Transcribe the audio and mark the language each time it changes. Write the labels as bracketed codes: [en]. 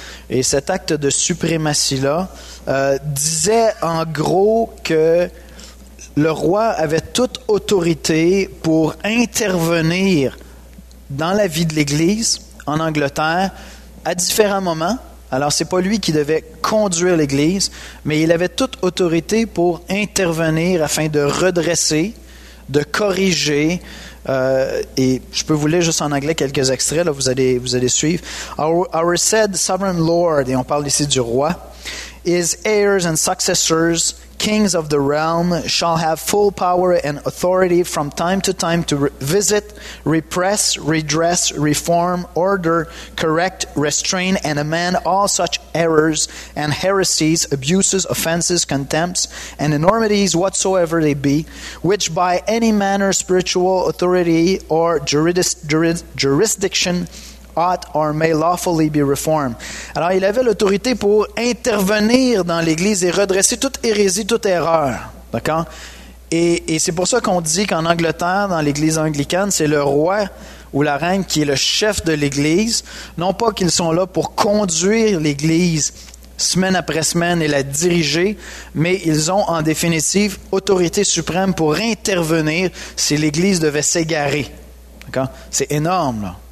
[fr] Et cet acte de suprématie-là disait en gros que le roi avait toute autorité pour intervenir dans la vie de l'Église en Angleterre à différents moments. Alors, ce n'est pas lui qui devait conduire l'Église, mais il avait toute autorité pour intervenir afin de redresser, de corriger. Et je peux vous lire juste en anglais quelques extraits, là, vous allez suivre. [en] Our said sovereign lord, [fr] et on parle ici du roi, [en] his heirs and successors, kings of the realm, shall have full power and authority from time to time to visit, repress, redress, reform, order, correct, restrain, and amend all such errors and heresies, abuses, offenses, contempts, and enormities whatsoever they be, which by any manner spiritual authority or jurisdiction ought or may lawfully be reformed. [fr] Alors, il avait l'autorité pour intervenir dans l'Église et redresser toute hérésie, toute erreur. D'accord? Et c'est pour ça qu'on dit qu'en Angleterre, dans l'Église anglicane, c'est le roi ou la reine qui est le chef de l'Église. Non pas qu'ils sont là pour conduire l'Église semaine après semaine et la diriger, mais ils ont en définitive autorité suprême pour intervenir si l'Église devait s'égarer. D'accord? C'est énorme, là.